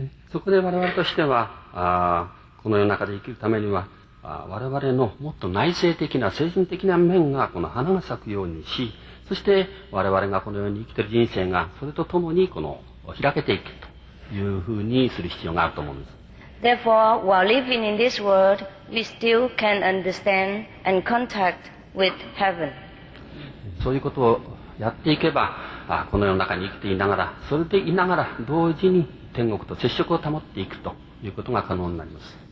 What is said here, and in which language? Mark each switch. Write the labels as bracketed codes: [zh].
[ja] そこで我々としてはこの世の中で生きるためには我々のもっと内省的な精神的な面がこの花が咲くようにし、そして我々がこの世に生きている人生がそれとともにこの開けていくというふうにする必要があると思うんです。 [en] Therefore, while living in this world, we still can understand and contact with heaven. [ja] そういうことをやっていけば、この世の中に生きていながら、それでいながら同時に天国と接触を保っていくということが可能になります。